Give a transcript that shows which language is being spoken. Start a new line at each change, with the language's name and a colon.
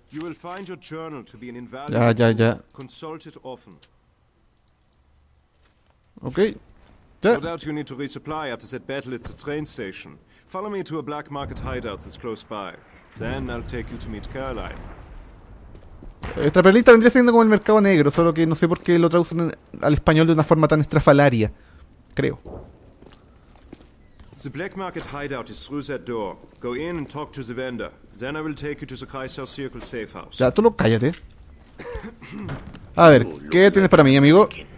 English: You will find your journal to be an invaluable tool.
Spanish: Ya, ya.
English: Consult it often. Okay. Yeah. No doubt you need to resupply after that battle at the train station. Follow me to a black market hideout that's close by. Then I'll take you to meet Caroline.
Spanish: Esta perlita vendría siendo como el mercado negro, solo que no sé por qué lo traducen al español de una forma tan estrafalaria. Creo.
English: The black market hideout is through that door. Go in and talk to the vendor. Then I will take you to the Chrysler Circle safe house.
Spanish: Ya, tú lo cállate. A ver, ¿qué tienes para mí, amigo?